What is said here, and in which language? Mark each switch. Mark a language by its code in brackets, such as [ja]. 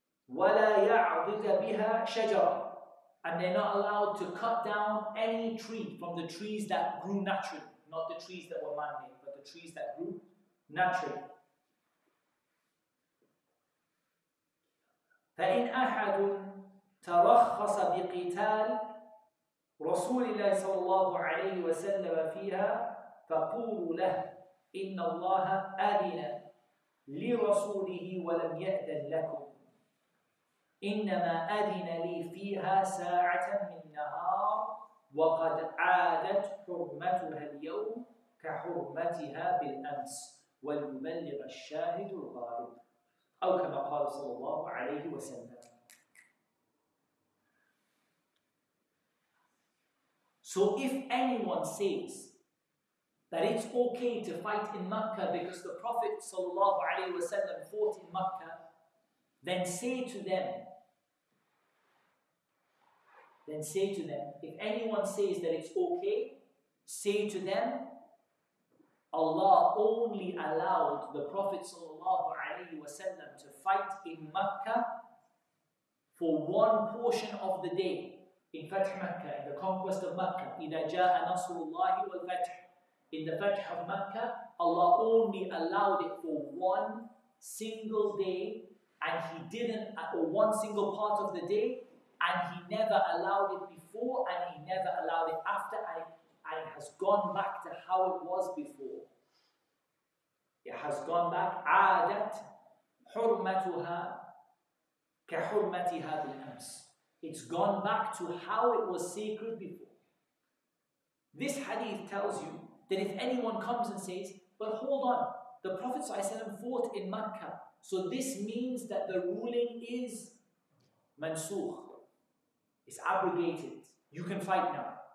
[ar] وَلَا يَعْضِكَ بِهَا شَجَرًا. [en] And they're not allowed to cut down any tree from the trees that grew naturally. Not the trees that were man-made, but the trees that grew naturally. [ar] فَإِنْ أَحَدٌ تَرَخَّصَ بِقِتَالِ رَسُولِ اللَّهِ صَلَى اللَّهُ عَلَيْهِ وَسَلَّمَ فِيهَا فَقُولُوا لَهُ إِنَّ اللَّهَ أَذِنَ لِرَسُولِهِ وَلَمْ يَأْذَنْ لَكُمْ إنما أذن لي فيها ساعة من النهار وقد عادت حرمتها اليوم كحرمتها بالأمس وليبلغ الشاهد الغائب أو كما قال صلى الله عليه وسلم. [en] So if anyone says that it's okay to fight in Makkah because the Prophet صلى الله عليه وسلم fought in Makkah, then say to them, then say to them, if anyone says that it's okay, say to them, Allah only allowed the Prophet ﷺ to fight in Makkah for one portion of the day, in Fath Makkah, in the conquest of Makkah, [ar] إِذَا جَاءَ نَصْرُ اللَّهِ وَالْفَتْحِ. [en] In the Fath of Makkah, Allah only allowed it for one single day, and He didn't, or one single part of the day, and He never allowed it before, and He never allowed it after, and it has gone back to how it was before. It has gone back. [ar] عادت حرمتها كحرمتها بالأمس. [en] It's gone back to how it was sacred before. This hadith tells you that if anyone comes and says, but hold on, the Prophet ﷺ fought in Makkah, so this means that the ruling is mansukh. It's abrogated. You can fight now.